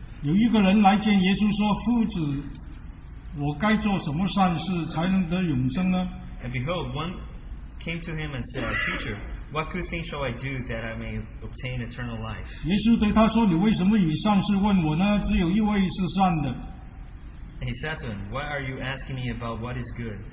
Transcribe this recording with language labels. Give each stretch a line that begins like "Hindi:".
Chinese: 有一个人来见耶稣说：“夫子，我该做什么善事才能得永生呢？”
English: And behold, one came to him and said, Teacher, what good thing shall I do that I may obtain eternal life?
Chinese: 耶稣对他说，你为什么以善事问我呢? 只有一位是善的。And
English: he said to him, Why are you asking me about what is good?